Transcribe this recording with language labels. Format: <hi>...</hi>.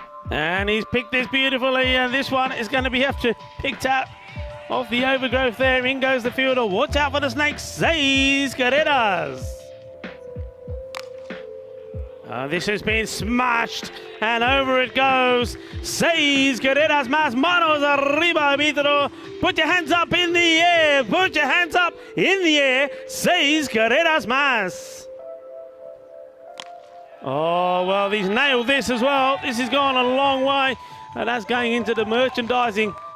<en>And he's picked this beautifully, and this one is going to be have to picked out off the overgrowth there. In goes the fielder. Watch out for the snakes.</en> <es>Seis carreras.</es> <en>This has been smashed, and over it goes.</en> <es>Seis carreras más, manos arriba, árbitro.</es> <en>Put your hands up in the air. Put your hands up in the air.</en> <es>Seis carreras más.</es> <en>Oh, well, he's nailed this as well. This has gone a long way, and that's going into the merchandising.</en>